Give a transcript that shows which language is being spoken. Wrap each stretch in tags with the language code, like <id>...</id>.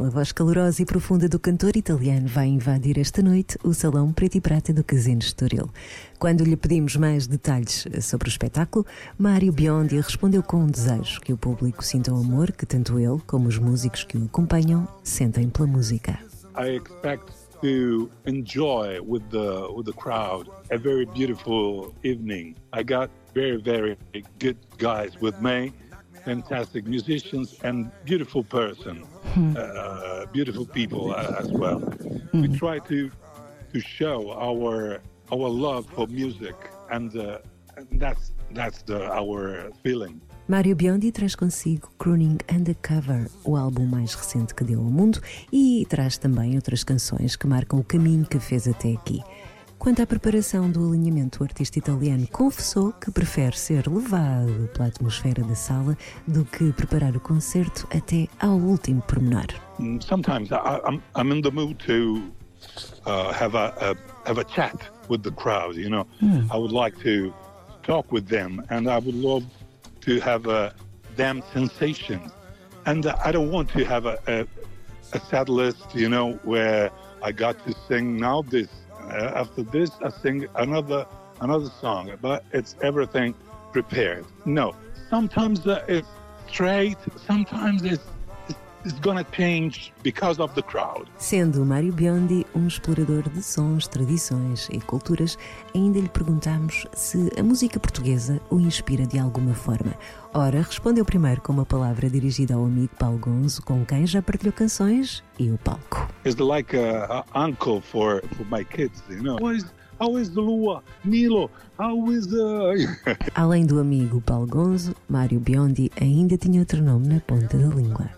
<pt>A voz calorosa e profunda do cantor italiano vai invadir esta noite o Salão Preto e Prata do Casino Estoril. Quando lhe pedimos mais detalhes sobre o espetáculo, Mario Biondi respondeu com um desejo que o público sinta o amor que tanto ele como os músicos que o acompanham sentem pela música.</pt> <en>I expect to enjoy with the crowd a very beautiful evening. I got very, very good guys with me, fantastic musicians and beautiful person, beautiful people as well. Mm. We try to show our love for music, and that's the our feeling.</en> <pt>Mário Biondi traz consigo Crooning Undercover, o álbum mais recente que deu ao mundo, e traz também outras canções que marcam o caminho que fez até aqui. Quanto à preparação do alinhamento, o artista italiano confessou que prefere ser levado pela atmosfera da sala do que preparar o concerto até ao último pormenor.</pt> <en>Sometimes I'm in the mood to have a chat with the crowd, you know. I would like to talk with them and I would love to have a damn sensation. And I don't want to have a sad list, you know, where I got to sing now this. After this, I sing another song, but it's everything prepared. No, sometimes it's straight, sometimes it's gonna change because of the crowd.</en> <pt>Sendo Mário Biondi um explorador de sons, tradições e culturas, ainda lhe perguntamos se a música portuguesa o inspira de alguma forma. Ora, respondeu primeiro com uma palavra dirigida ao amigo Paulo Gonzo, com quem já partilhou canções e o palco.</pt> <en>It's like a uncle for my kids, you know. How is the Lua? Nilo? How is the...</en> <pt>Além do amigo Paulo Gonzo, Mário Biondi ainda tinha outro nome na ponta da língua.</pt>